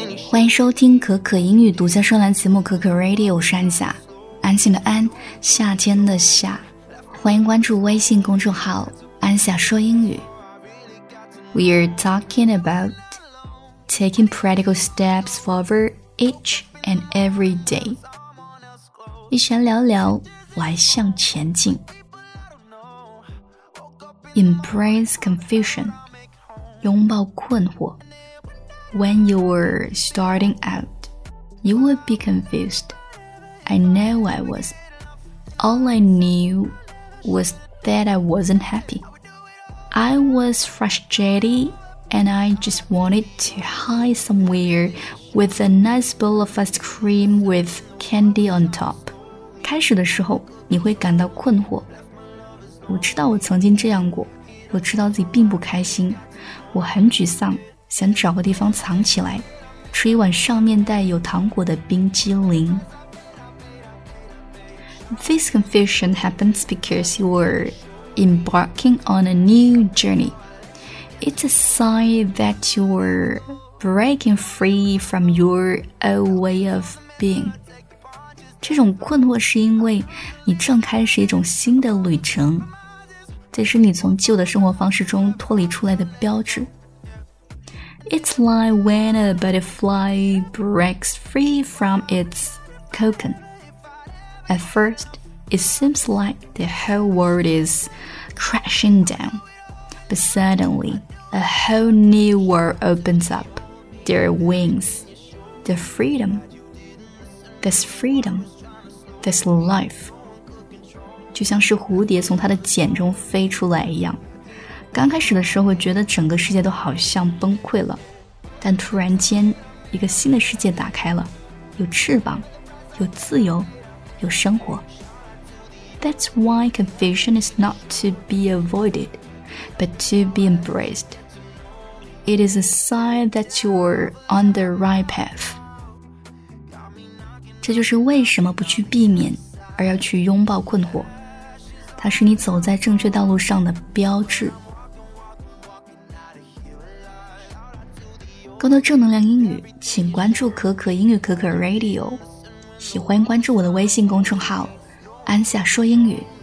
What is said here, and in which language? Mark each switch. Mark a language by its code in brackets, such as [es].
[zh] 欢迎收听可可英语独家专栏节目可可 Radio， 我是安夏，安静的安，夏天的夏。欢迎关注微信公众号安夏说英语。 [en] We are talking about taking practical steps forward each and every day， [zh] 一闲聊聊来向前进。 [en] Embrace confusion， [zh] 拥抱困惑。 [en] When you were starting out, you would be confused. I know I was. All I knew was that I wasn't happy. I was frustrated and I just wanted to hide somewhere with a nice bowl of ice cream with candy on top. [zh] 开始的时候你会感到困惑。我知道我曾经这样过，我知道自己并不开心，我很沮丧，想找个地方藏起来，吃一碗上面带有糖果的冰激凌。 [en] This confusion happens because you are embarking on a new journey. It's a sign that you are breaking free from your old way of being. [zh] 这种困惑是因为你正开始一种新的旅程，这是你从旧的生活方式中脱离出来的标志。 [en] It's like when a butterfly breaks free from its cocoon. At first, it seems like the whole world is crashing down. But suddenly, a whole new world opens up. There are wings. The freedom. There's freedom. There's life. [zh] 就像是蝴蝶从它的茧中飞出来一样，刚开始的时候觉得整个世界都好像崩溃了，但突然间一个新的世界打开了，有翅膀，有自由，有生活。 [en] That's why confusion is not to be avoided, but to be embraced. It is a sign that you're on the right path. [zh] 这就是为什么不去避免而要去拥抱困惑，它是你走在正确道路上的标志。更多正能量英语请关注可可英语可可 Radio， 喜欢关注我的微信公众号安夏说英语。